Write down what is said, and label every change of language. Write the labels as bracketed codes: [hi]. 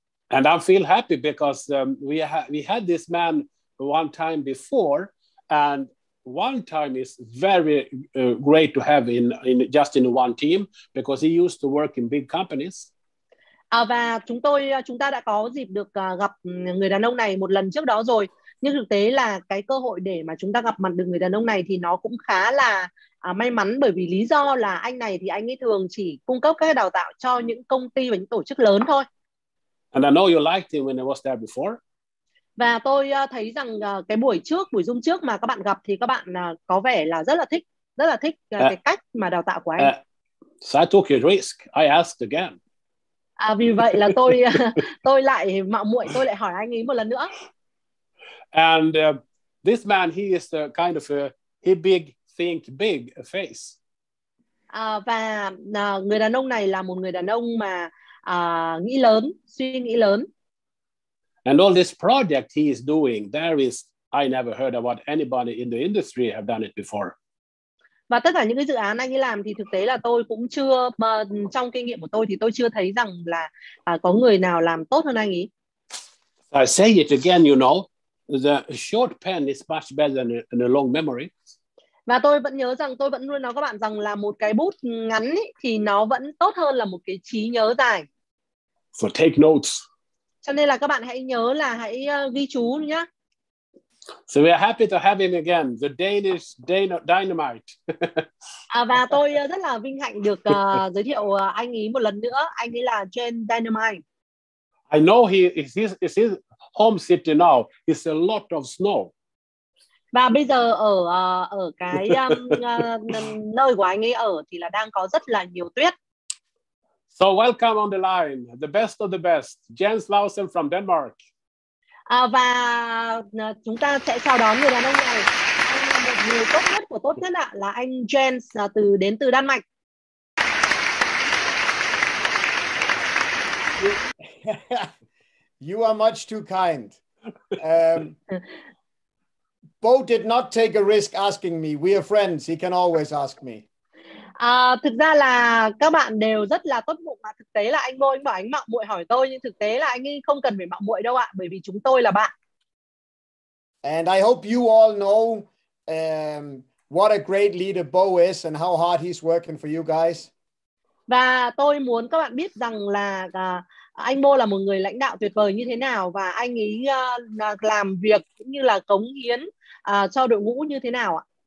[en] And I feel happy because we had this man one time before, and one time is very great to have in one team because he used to work in big companies. [vi] Và chúng ta đã có dịp được gặp người đàn ông này một lần trước đó rồi, nhưng thực tế là cái cơ hội để mà chúng ta gặp mặt được người đàn ông này thì nó cũng khá là may mắn, bởi vì lý do là anh này thì anh ấy thường chỉ cung cấp các đào tạo cho những công ty và những tổ chức lớn thôi. [en] And I know you liked him when I was there before. [vi] Và tôi thấy rằng cái buổi zoom trước mà các bạn gặp thì các bạn có vẻ là rất là thích cái cách mà đào tạo của anh. [en] So I took a risk. I asked again. [vi] Vì vậy là tôi lại mạo muội, tôi lại hỏi anh ấy một lần nữa. [en] And this man, he is the kind of he big think big face. [vi] Và người đàn ông này là một người đàn ông mà nghĩ lớn, suy nghĩ lớn. [en] And all this project he is doing, I never heard about anybody in the industry have done it before. [vi] Và tất cả những cái dự án anh ấy làm thì thực tế là tôi cũng chưa, trong kinh nghiệm của tôi thì tôi chưa thấy rằng là có người nào làm tốt hơn anh ấy. [en] I say it again, you know, the short pen is much better than a long memory. [vi] Và tôi vẫn nhớ rằng, tôi vẫn luôn nói các bạn rằng là một cái bút ngắn ấy, thì nó vẫn tốt hơn là một cái trí nhớ dài. [en] So take notes. [vi] Cho nên là các bạn hãy nhớ là hãy ghi chú nhé. [en] So we are happy to have him again, the Danish dynamite. [vi] Và tôi rất là vinh hạnh được giới thiệu anh ấy một lần nữa. Anh ấy là Jane Dynamite. [en] I know he is his home city now. It's a lot of snow. [vi] Và bây giờ ở cái nơi của anh ấy ở thì là đang có rất là nhiều tuyết. [en] So welcome on the line, the best of the best, Jens Lausen from Denmark. [vi] Và chúng ta sẽ chào đón người đàn ông này. Anh là một người tốt nhất của tốt nhất ạ, là anh Jens đến từ Đan Mạch. [en] You are much too kind. Bo did not take a risk asking me. We are friends. He can always ask me. [vi] Thực ra là các bạn đều rất là tốt bụng, mà thực tế là anh Bo, anh bảo anh mạo muội hỏi tôi, nhưng thực tế là anh ấy không cần phải mạo muội đâu ạ, bởi vì chúng tôi là bạn. [en] And I hope you all know what a great leader Bo is and how hard he's working for you guys. [vi] Và tôi muốn các bạn biết rằng là anh Bo là một người lãnh đạo tuyệt vời như thế nào, và anh ấy làm việc cũng như là cống hiến cho đội ngũ như thế nào ạ.